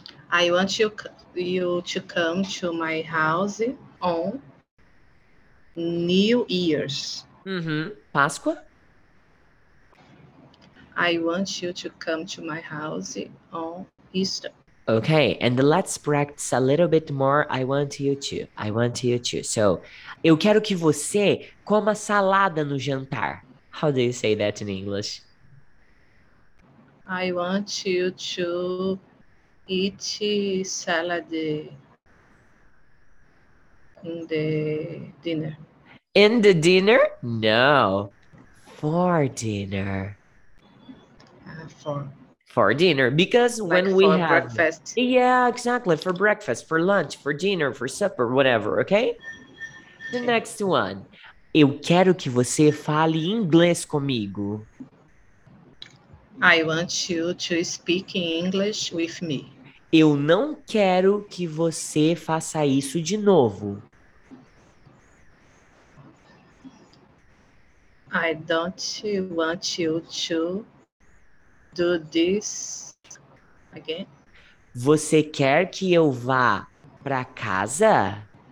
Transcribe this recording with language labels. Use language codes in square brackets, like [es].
[en] I want you to come to my house on New Year's. [pt] Páscoa? [en] I want you to come to my house on Easter. Okay, and let's practice a little bit more. I want you to. I want you to. [pt] So, eu quero que você coma salada no jantar. [en] How do you say that in English? I want you to eat salad in the dinner. In the dinner? No. For dinner. For dinner. Because Like when we for have. breakfast. Yeah, exactly. For breakfast, for lunch, for dinner, for supper, whatever, okay? The next one. [pt] Eu quero que você fale inglês comigo. [en] I want you to speak English with me. [pt] Eu não quero que você faça isso de novo. [en] I don't want you to do this again. [pt] Você quer que eu vá para casa?